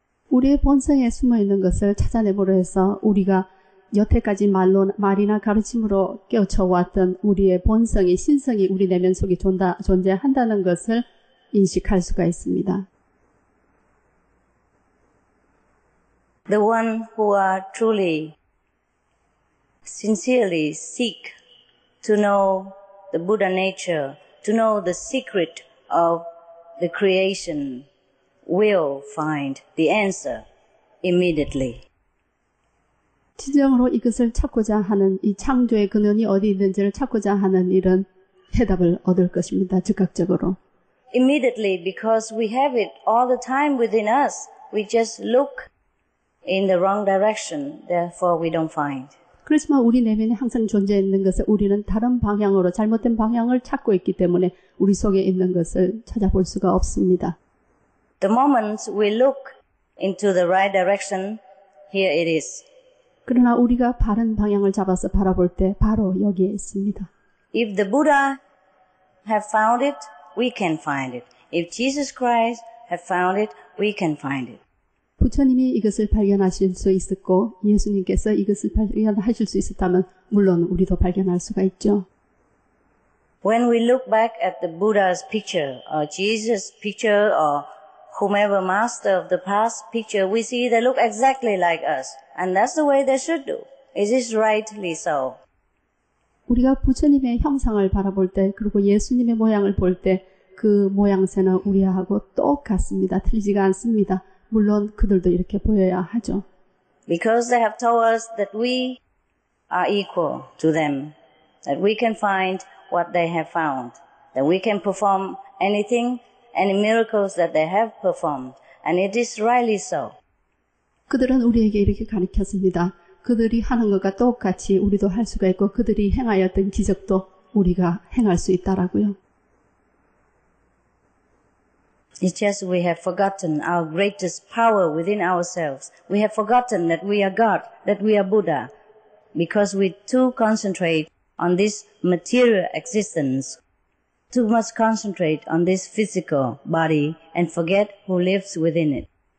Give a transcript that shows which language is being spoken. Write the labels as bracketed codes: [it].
[ko] 우리의 본성에 숨어 있는 것을 찾아내므로 해서 우리가 여태까지 말이나 가르침으로 깨우쳐 왔던 우리의 본성이 신성이 우리 내면 속에 존재한다는 것을 인식할 수가 있습니다. [en] The one who are truly sincerely seek to know the Buddha nature, to know the secret of the creation, will find the answer immediately. [ko] 진정으로 이것을 찾고자 하는 이 창조의 근원이 어디 있는지를 찾고자 하는 이런 해답을 얻을 것입니다. 즉각적으로. [en] Immediately, because we have it all the time within us. We just look in the wrong direction, therefore we don't find. [ko] 그렇지만 우리 내면에 항상 존재해 있는 것을 우리는 다른 방향으로 잘못된 방향을 찾고 있기 때문에 우리 속에 있는 것을 찾아볼 수가 없습니다. [en] The moment we look into the right direction, here it is. [ko] 그러나 우리가 바른 방향을 잡아서 바라볼 때 바로 여기에 있습니다. [en] If the Buddha have found it, we can find it. If Jesus Christ have found it, we can find it. [ko] 부처님이 이것을 발견하실 수 있었고 예수님께서 이것을 발견하실 수 있었다면 물론 우리도 발견할 수가 있죠. [en] When we look back at the Buddha's picture or Jesus' picture or whomever master of the past picture, we see they look exactly like us. And that's the way they should do. Is this rightly so? [ko] 우리가 부처님의 형상을 바라볼 때 그리고 예수님의 모양을 볼 때 그 모양새는 우리하고 똑같습니다. 틀리지가 않습니다. 물론 그들도 이렇게 보여야 하죠. [en] Because they have told us that we are equal to them. that we can find what they have found, that we can perform anything, any miracles that they have performed, and it is rightly so. [ko] 그들은 우리에게 이렇게 가르쳤습니다. 그들이 하는 것과 똑같이 우리도 할 수가 있고 그들이 행하였던 기적도 우리가 행할 수 있다라고요. [en] It's just we have forgotten our greatest power within ourselves. We have forgotten that we are God, that we are Buddha, because we too concentrate on this material existence, too much concentrate on this physical body and forget who lives within it.